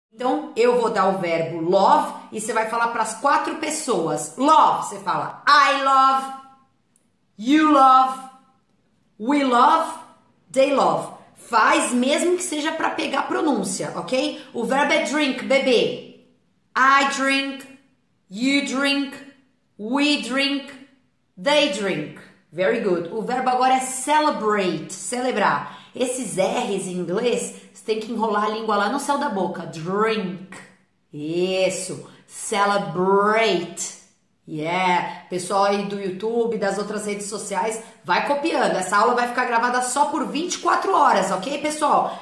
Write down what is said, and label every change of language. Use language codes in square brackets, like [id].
[pt] Então, eu vou dar o verbo love e você vai falar para as quatro pessoas. [en] Love, [pt] você fala [en] I love, you love, we love, they love. [pt] Faz mesmo que seja para pegar a pronúncia, ok? O verbo é drink, beber. [en] I drink, you drink, we drink, they drink. Very good. [pt] O verbo agora é celebrate, celebrar. Esses R's em inglês, você tem que enrolar a língua lá no céu da boca. [en] Drink. Isso. Celebrate. Yeah. [pt] Pessoal aí do YouTube, das outras redes sociais, vai copiando. Essa aula vai ficar gravada só por 24 horas, ok, pessoal?